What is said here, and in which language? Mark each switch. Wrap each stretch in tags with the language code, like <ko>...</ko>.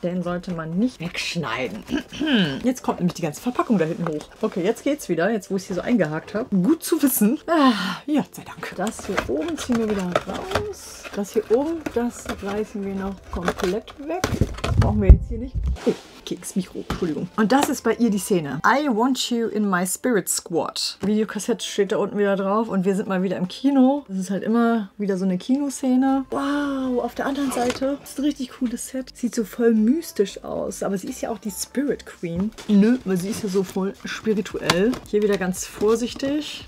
<de>Den sollte man nicht wegschneiden. Jetzt kommt nämlich die ganze Verpackung da hinten hoch. Okay, jetzt geht's wieder, jetzt wo ich es hier so eingehakt habe. Gut zu wissen. Ja, sei Dank. Das hier oben ziehen wir wieder raus. Das hier oben, das reißen wir noch komplett weg. Das brauchen wir jetzt hier nicht. Oh. Keks, Mikro, Entschuldigung. Und das ist bei ihr die Szene.</de> <en>I want you in my spirit squad.</en> <de>Videokassette steht da unten wieder drauf und wir sind mal wieder im Kino. Das ist halt immer wieder so eine Kinoszene. Wow, auf der anderen Seite. Das ist ein richtig cooles Set. Sieht so voll mystisch aus, aber sie ist ja auch die Spirit Queen. Nö, weil sie ist ja so voll spirituell. Hier wieder ganz vorsichtig.</de>